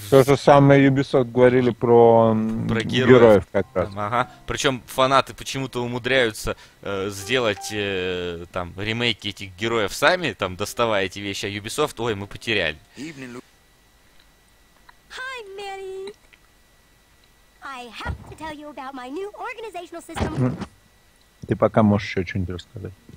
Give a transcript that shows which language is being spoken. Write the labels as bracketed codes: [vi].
[ru] То же самое Ubisoft говорили про, про героев. Героев как раз. Там, ага. Причем фанаты почему-то умудряются сделать там ремейки этих героев сами, там доставая эти вещи, а Ubisoft, ой, мы потеряли. [en] Hi, Mary. I have to tell you about my new organizational system. [ru] Ты пока можешь еще что-нибудь рассказать.